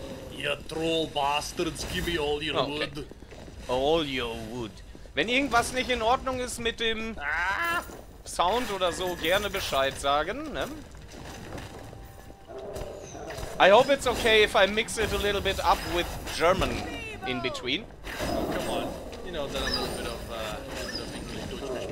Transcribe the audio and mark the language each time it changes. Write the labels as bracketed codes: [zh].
[en] You troll bastards, give me all your wood. All your wood. [de] Wenn irgendwas nicht in Ordnung ist mit dem Sound oder so, gerne Bescheid sagen. Ne? [en] I hope it's okay if I mix it a little bit up with German in between. Oh, come on. You know that a little bit of English